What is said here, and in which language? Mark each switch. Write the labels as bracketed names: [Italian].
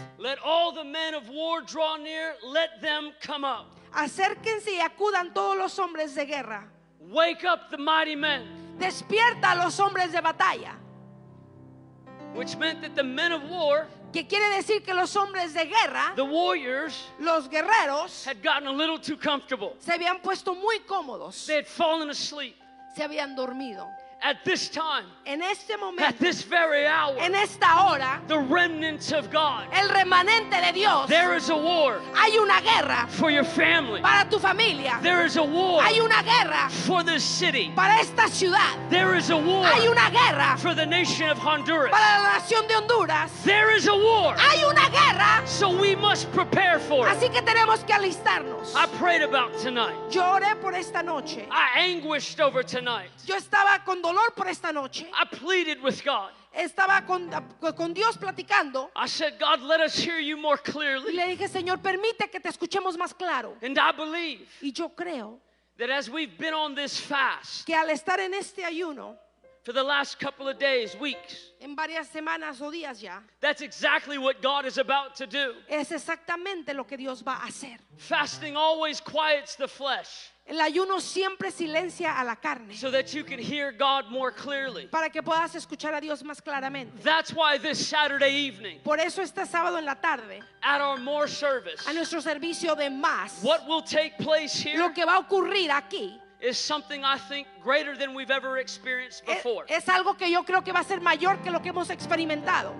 [English] Let all the men of war draw near. Let them come up. [Spanish] Acérquense y acudan todos los hombres de guerra. [English] Wake up the mighty men. [Spanish] Despierta a los hombres de batalla. [English] Which meant that the men of war, [Spanish] que quiere decir que los hombres de guerra, [English] the warriors, [Spanish] los guerreros, [English] had gotten a little too comfortable. [Spanish] Se habían puesto muy cómodos. [English] They had fallen asleep. [Spanish] Se habían dormido. [English] At this time, [Spanish] en este momento, [English] at this very hour, [Spanish] en esta hora, [English] the remnants of God, [Spanish] el remanente de Dios, [English] there is a war, [Spanish] hay una guerra, [English] for your family, [Spanish] para tu familia, [English] there is a war, [Spanish] hay una guerra, [English] for this city, [Spanish] para esta ciudad, [English] there is a war, [Spanish] hay una guerra, [English] for the nation of Honduras, [Spanish] para la nación de Honduras, [English] there is a war, [Spanish] hay una guerra, [English] so we must prepare for it. [Spanish] Así que tenemos que alistarnos. [English] I prayed about tonight. [Spanish] Lloré por esta noche. [English] I anguished over tonight. [Spanish] Yo estaba con dolor. dolor por esta noche. [English] I pleaded with God. [Spanish] Estaba con Dios platicando. [English] I said, God, let us hear you more clearly. [Spanish] Y le dije, Señor, permite que te escuchemos más claro. [English] And I believe. [Spanish] Y yo creo. [English] That as we've been on this fast. [Spanish] Que al estar en este ayuno. [English] For the last couple of days, weeks. [Spanish] En varias semanas o días ya. [English] That's exactly what God is about to do. [Spanish] Es exactamente lo que Dios va a hacer. [English] Fasting always quiets the flesh. [Spanish] El ayuno siempre silencia a la carne. [English] So that you can hear God more clearly. [Spanish] Para que puedas escuchar a Dios más claramente. [English] That's why this Saturday evening. [Spanish] Por eso este sábado en la tarde. [English] At our more service. [Spanish] A nuestro servicio de más. [English] What will take place here? [Spanish] Lo que va a ocurrir aquí. [English] Is something I think greater than we've ever experienced before. [Spanish] Es algo que yo creo que va a ser mayor que lo que hemos experimentado.